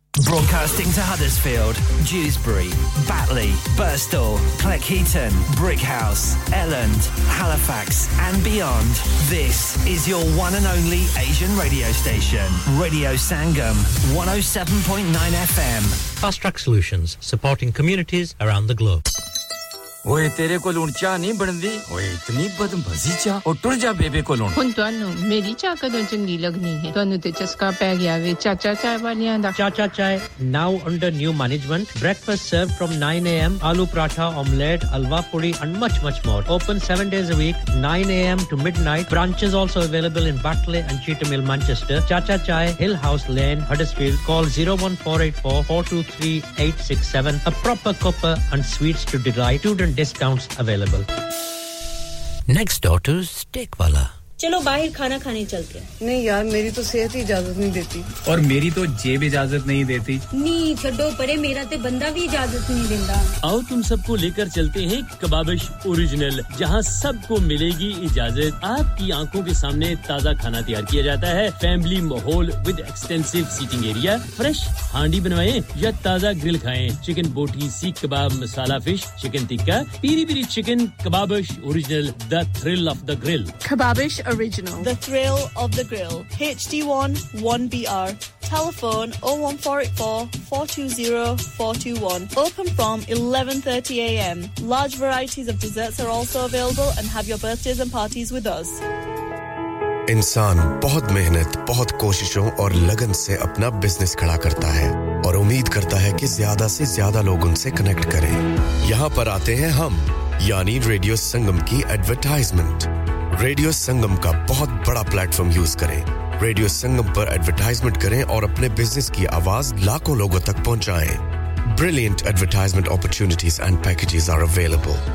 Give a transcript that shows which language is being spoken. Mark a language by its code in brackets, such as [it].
[en] Broadcasting to Huddersfield, Dewsbury, Batley, Birstall, Cleckheaton, Brickhouse, Elland, Halifax and beyond. This is your one and only Asian radio station. Radio Sangam, 107.9 FM. Fast Track Solutions, supporting communities around the globe. [pa] ਓਏ ਤੇਰੇ ਕੋਲ ਹੁਣ ਚਾਹ ਨਹੀਂ ਬਣਦੀ ਓਏ ਇਤਨੀ ਬਦਮਜ਼ੀ ਚਾਹ ਉਹ ਟੁਰ ਜਾ ਬੇਬੇ ਕੋਲ ਹੁਣ ਤੁਹਾਨੂੰ ਮੇਰੀ ਚਾਹ ਕਦੋਂ ਚੰਗੀ ਲੱਗਣੀ ਹੈ ਤੁਹਾਨੂੰ ਤੇ ਚਸਕਾ ਪੈ ਗਿਆ ਵੇ ਚਾਚਾ ਚਾਹ ਵਾਲਿਆਂ ਦਾ [en] Chacha Chai now under new management breakfast serve from 9 A M aloo paratha omelette halwa puri and much much more open 7 days a week 9 A M to midnight branches also available in Batley and Cheetham Hill Manchester Chacha Chai Hill House Lane Huddersfield call 01484423867 a proper cuppa and sweets to delight student discounts available Next door to steak wala. [hi] चलो बाहर खाना खाने चलते हैं। नहीं यार मेरी तो सेहत ही इजाजत नहीं देती। और मेरी तो जेब इजाजत नहीं देती। नहीं छोड़ो परे मेरा तो बंदा भी इजाजत नहीं देता। आओ तुम सबको लेकर चलते हैं कबाबिश ओरिजिनल जहां सबको मिलेगी इजाजत। आपकी आंखों के सामने ताजा खाना तैयार किया जाता है। फैमिली माहौल [en] With extensive seating area. [hi] Fresh हांडी बनवाएं या ताजा ग्रिल खाएं। चिकन बोटी सीख कबाब मसाला fish chicken tikka Piri Piri chicken Kababish original [en] The thrill of the grill. Kababish Original. The Thrill of the Grill. HD1 1BR. Telephone 01484 420 421. Open from 11:30 a.m. Large varieties of desserts are also available and have your birthdays and parties with us. [hi] इंसान बहुत मेहनत बहुत कोशिशों और लगन से अपना business खड़ा करता है और उम्मीद करता है कि ज्यादा से ज्यादा लोग उनसे कनेक्ट करें यहां पर आते हैं हम यानी रेडियो संगम की एडवर्टाइजमेंट रेडियो संगम का बहुत बड़ा प्लेटफार्म यूज करें रेडियो संगम पर एडवर्टाइजमेंट करें और अपने बिजनेस की आवाज लाखों लोगों तक पहुंचाएं [en] Brilliant advertisement opportunities and packages are available.